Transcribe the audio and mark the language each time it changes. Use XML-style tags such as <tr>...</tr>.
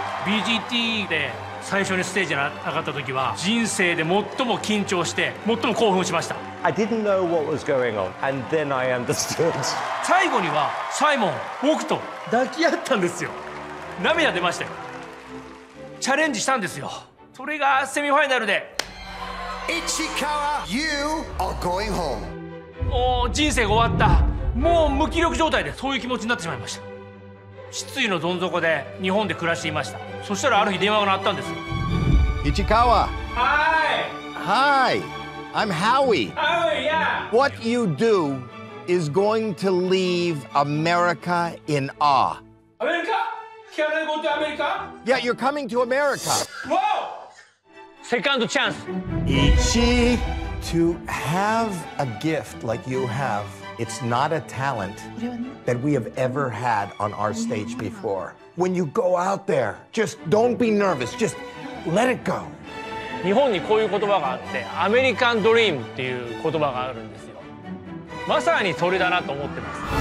<ja>BGT で最初にステージに上がった時は人生で最も緊張して最も興奮しました。</ja> <en>I didn't know what was going on, and then I understood.</en> <ja>最後にはサイモン、僕と抱き合ったんですよ。涙出ましたよ。チャレンジしたんですよ。それがセミファイナルで。</ja> <en>Ichikawa, you are going home.</en> <ja>もう人生が終わった。もう無気力状態でそういう気持ちになってしまいました。失意のどん底で日本で暮らしていました。そしたらある日電話が鳴ったんです。</ja> <en>Ichikawa. Hi. Hi. I'm Howie. Howie, yeah. What you do is going to leave America in awe. America? Can I go to America? Yeah, you're coming to America. Whoa! Second chance. Ichi, to have a gift like you have, it's not a talent that we have ever had on our stage before. When you go out there, just don't be nervous. Just let it go.</en> <ja>日本にこういう言葉があって、アメリカンドリームっていう言葉があるんですよ。まさにそれだなと思ってます。</ja>